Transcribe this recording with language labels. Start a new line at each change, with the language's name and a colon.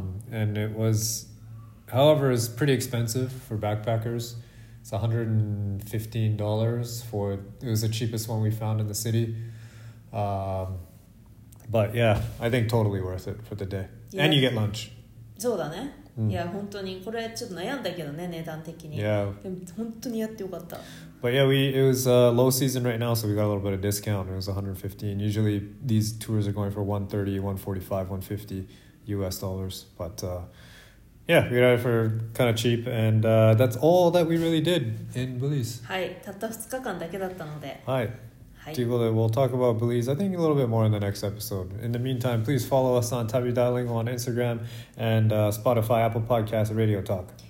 English: And it was, however, it was pretty expensive for backpackers. It's $115 for, it was the cheapest one we found in the city. But yeah, I think totally worth it for the day. Yeah. And you get lunch.
Japanese: そうだね。いや、本当にこれちょっと悩んだけどね、値段的に。
English: Yeah.
Japanese: でも本当にやってよかった。
English: But yeah, it was low season right now, so we got a little bit of discount. It was $115. Usually these tours are going for $130, $145, $150 US dollars. But yeah, we got it for kind of cheap. And that's all that we really did in Belize.
Japanese: はい、たった2日間だけだったので。はい。
English: We'll talk about Belize, I think, a little bit more in the next episode. In the meantime, please follow us on Tabi Dialing on Instagram and Spotify, Apple Podcasts, and Radio Talk.